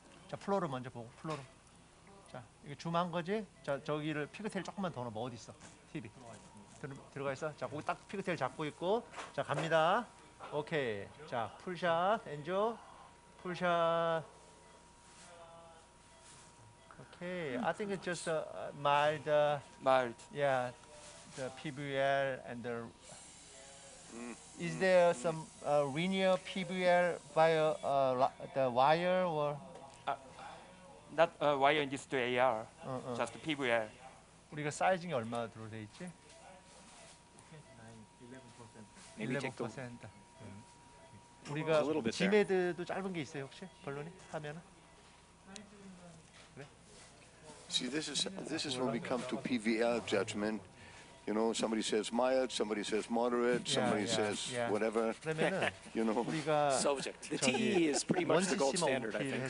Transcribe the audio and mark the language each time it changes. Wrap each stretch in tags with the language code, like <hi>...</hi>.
<ko>자 플로를 먼저 보고 플로를 자 이게 줌한 거지 자 저기를 피그테일 조금만 더 넣어 뭐 어디 있어 TV 들어가 있어 자 거기 딱 피그테일 잡고 있고 자 갑니다 오케이 자 풀샷 엔조 풀샷 오케이</ko> <en>I think it's just mild yeah the PVL and the is there some linear PVL via the wire or Not wire in this to AR, just the PVL.</en> <ko>우리가 사이징이 얼마나 들어돼 있지? 11%. 우리가 지메드도 짧은 게 있어요 혹시 벌론이 하면은?</ko> <en>See, this is when we come to PVL judgment. You know, somebody says mild, somebody says moderate, somebody says whatever. You know, subject. The TE is pretty much the gold standard, I think.</en>